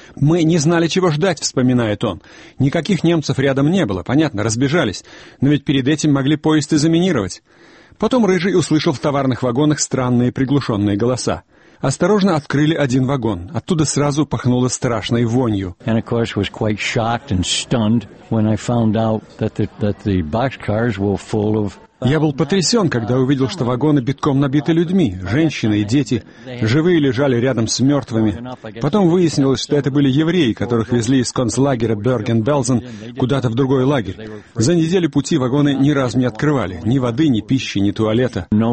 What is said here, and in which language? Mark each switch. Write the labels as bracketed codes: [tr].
[ru] «Мы не знали, чего ждать», — вспоминает он. «Никаких немцев рядом не было, понятно, разбежались, но ведь перед этим могли поезд и заминировать». Потом Рыжий услышал в товарных вагонах странные приглушенные голоса. Осторожно открыли один вагон. Оттуда сразу пахнуло страшной вонью. [en] And of course was quite shocked and stunned when I found out that the boxcars were full of... [ru] Я был потрясен, когда увидел, что вагоны битком набиты людьми. Женщины и дети. Живые лежали рядом с мертвыми. Потом выяснилось, что это были евреи, которых везли из концлагеря Берген-Белзен куда-то в другой лагерь. За неделю пути вагоны ни разу не открывали. Ни воды, ни пищи, ни туалета.